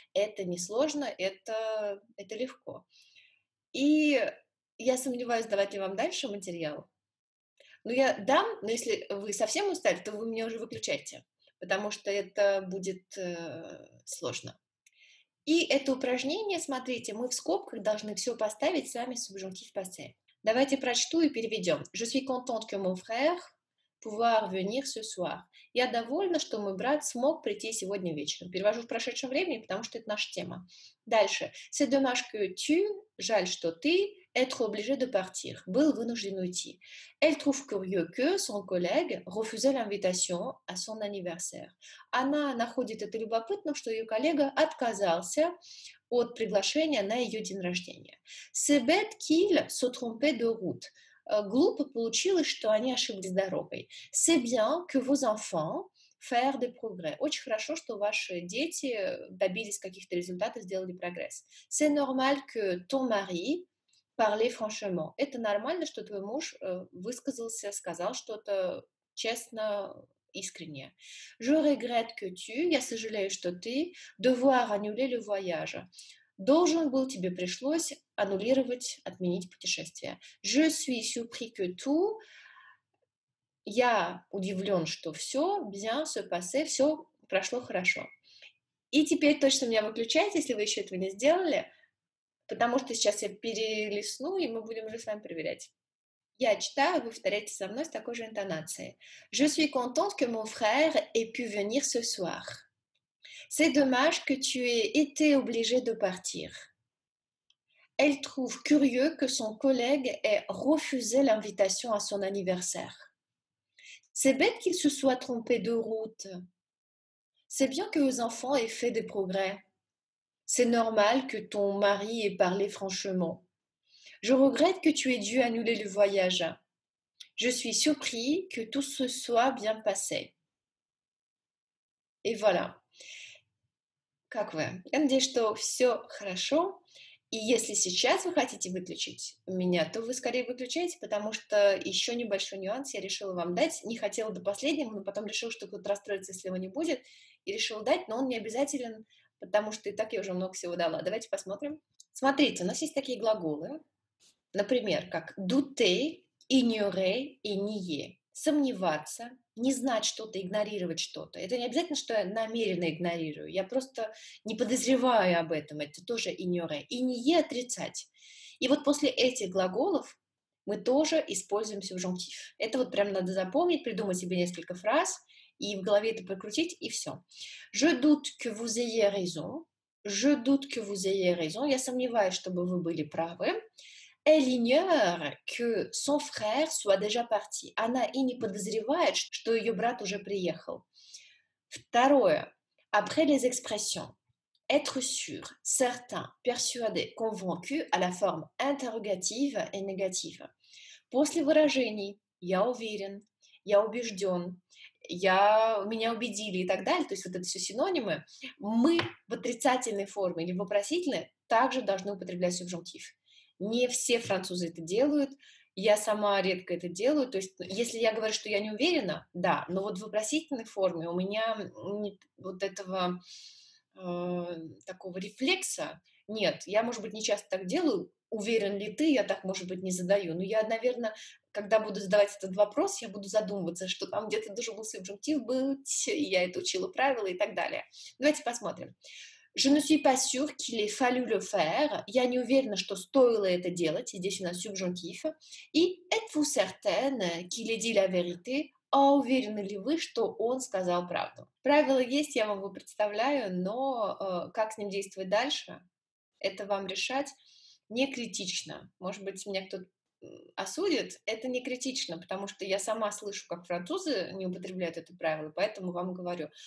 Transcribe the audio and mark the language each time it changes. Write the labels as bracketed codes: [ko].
[ru] Это несложно, это легко. И я сомневаюсь, давать ли вам дальше материал. Ну, я дам, но если вы совсем устали, то вы меня уже выключайте, потому что это будет сложно. И это упражнение, смотрите, мы в скобках должны все поставить с вами субжунктив passé. Давайте прочту и переведем. [fr] Je suis contente que mon frère pouvoir venir ce soir. [ru] Я довольна, что мой брат смог прийти сегодня вечером. Перевожу в прошедшем времени, потому что это наша тема. Дальше. [fr] C'est dommage que tu, [ru] жаль, что ты, [fr] être obligé de partir, [ru] был вынужден уйти. [fr] Elle trouve curieux que son collègue refusait l'invitation à son anniversaire. [ru] Она находит это любопытным, что ее коллега отказался от приглашения на ее день рождения. [fr] C'est bête qu'il se trompait de route. [ru] Глупо получилось, что они ошиблись дорогой. [fr] C'est bien que vos enfants faire des progrès. [ru] Очень хорошо, что ваши дети добились каких-то результатов, сделали прогресс. [fr] C'est normal que ton mari parler franchement. [ru] Это нормально, что твой муж высказался, сказал что-то честно, искренне. [fr] Je regrette que tu, [ru] я сожалею, что ты, [fr] devoir annuler le voyage. [ru] Должен был тебе пришлось аннулировать, отменить путешествие. [fr] Je suis surpris que tout, [ru] я удивлен, что все, [fr] bien se passé, [ru] все прошло хорошо. И теперь точно меня выключайте, если вы еще этого не сделали, потому что сейчас я перелесну, и мы будем уже с вами проверять. Я читаю, вы повторяете со мной с такой же интонацией. [fr] Je suis contente que mon frère ait pu venir ce soir. C'est dommage que tu aies été obligé de partir. Elle trouve curieux que son collègue ait refusé l'invitation à son anniversaire. C'est bête qu'il se soit trompé de route. C'est bien que vos enfants aient fait des progrès. C'est normal que ton mari ait parlé franchement. Je regrette que tu aies dû annuler le voyage. Je suis surpris que tout se soit bien passé. Et voilà. [ru] Как вы? Я надеюсь, что все хорошо. И если сейчас вы хотите выключить меня, то вы скорее выключаете, потому что еще небольшой нюанс я решила вам дать. Не хотела до последнего, но потом решила, что кто-то расстроится, если его не будет. И решила дать, но он не обязателен потому что и так я уже много всего дала. Давайте посмотрим. Смотрите, у нас есть такие глаголы, например, как douter, ignorer и nier. Сомневаться, не знать что-то, игнорировать что-то. Это не обязательно, что я намеренно игнорирую. Я просто не подозреваю об этом. Это тоже ignorer. И nier – отрицать. И вот после этих глаголов мы тоже используем субжунктив. Это вот прям надо запомнить, придумать себе несколько фраз и в голове это прокрутить, и все. [fr] Je doute que vous ayez raison. Je doute que vous ayez raison. [ru] Я сомневаюсь, чтобы вы были правы. Elle ignore que son frère soit déjà parti. Она и не подозревает, что ее брат уже приехал. Второе. [fr] Après les expressions. Être sûr, certain, persuadé, convaincu à la forme interrogative et négative. [ru] После выражений «я уверен», «я убежден», «я, меня убедили» и так далее, то есть вот это все синонимы, мы в отрицательной форме или в вопросительной также должны употреблять субжунктив. Не все французы это делают, я сама редко это делаю, то есть если я говорю, что я не уверена, да, но вот в вопросительной форме у меня вот этого... такого рефлекса нет. Я, может быть, не часто так делаю, уверен ли ты, я так, может быть, не задаю. Но я, наверное, когда буду задавать этот вопрос, я буду задумываться, что там где-то должен был субжунктив быть, и я это учила правила и так далее. Давайте посмотрим. [fr] Je ne suis pas sûr qu'il ait fallu le faire. [ru] Я не уверена, что стоило это делать. Здесь у нас субжунктив. [fr] И êtes-vous certaine qu'il ait dit la vérité? [ru] А уверены ли вы, что он сказал правду? Правило есть, я вам его представляю, но как с ним действовать дальше, это вам решать не критично. Может быть, меня кто-то осудит, это не критично, потому что я сама слышу, как французы не употребляют это правило, поэтому вам говорю.